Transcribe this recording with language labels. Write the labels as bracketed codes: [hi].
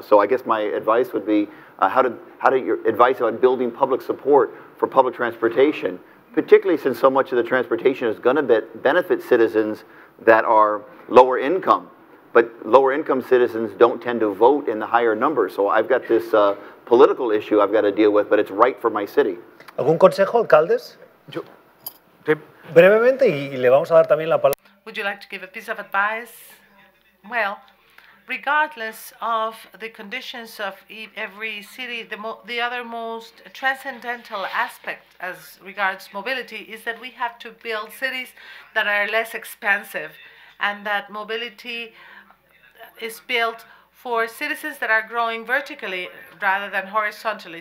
[en] So I guess my advice would be your advice about building public support for public transportation, particularly since so much of the transportation is going to benefit citizens that are lower income. But lower income citizens don't tend to vote in the higher numbers. So I've got this political issue I've got to deal with, but it's right for my city. [es] ¿Algún consejo, alcaldes? Brevemente, y le vamos a dar también la palabra. [en] Would you like to give a piece of advice? Well, regardless of the conditions of every city, the other most transcendental aspect as regards mobility is that we have to build cities that are less expensive, and that mobility is built for citizens that are growing vertically rather than horizontally.